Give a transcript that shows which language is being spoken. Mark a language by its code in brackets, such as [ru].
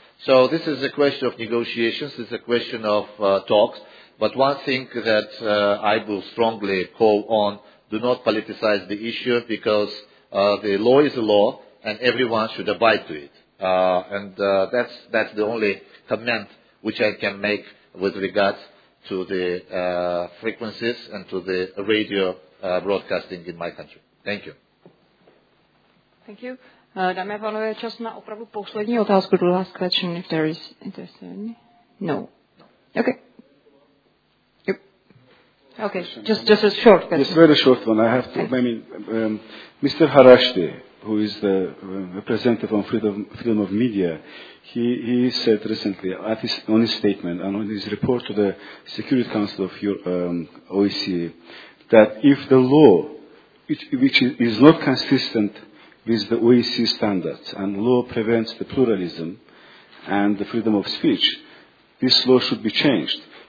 [en] So this is a question of negotiations, it's a question of talks, but one thing that I will strongly call on, do not politicize the issue, because the law is a law and everyone should abide to it. That's the only comment which I can make with regards to the frequencies and to the radio broadcasting in my country. Thank you. Thank you. [cs] Dámy a pánové, čas na opravdu poslední otázku. [en] The last question, if there is interest in any. No. Okay. Yep. Okay, just a short question. It's a very short one. I have to, I mean, Mr. Harashti, who is the representative on freedom of media, he said recently on his statement and on his report to the Security Council of OECD that if the law, which is not consistent with the OEC standards, and law prevents the pluralism and the freedom of speech, this law should be changed.